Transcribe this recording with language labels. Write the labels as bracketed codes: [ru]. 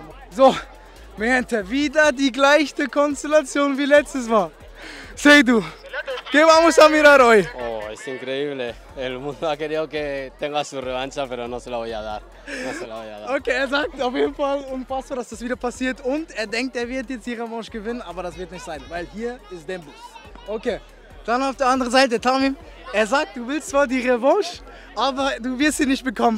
[de] So, Mente, wieder die gleiche Konstellation wie letztes Mal. [es] Seydou, ¿qué vamos a mirar hoy? Oh, es increíble. El mundo ha querido que tenga su revancha, pero no se la voy a dar. [de] Okay, er sagt auf jeden Fall unfassbar, dass das wieder passiert. Und er denkt, er wird jetzt die Revanche gewinnen, aber das wird nicht sein, weil hier ist Dembus. Okay, dann auf der anderen Seite, Tamim. Er sagt, du willst zwar die Revanche, aber du wirst sie nicht bekommen.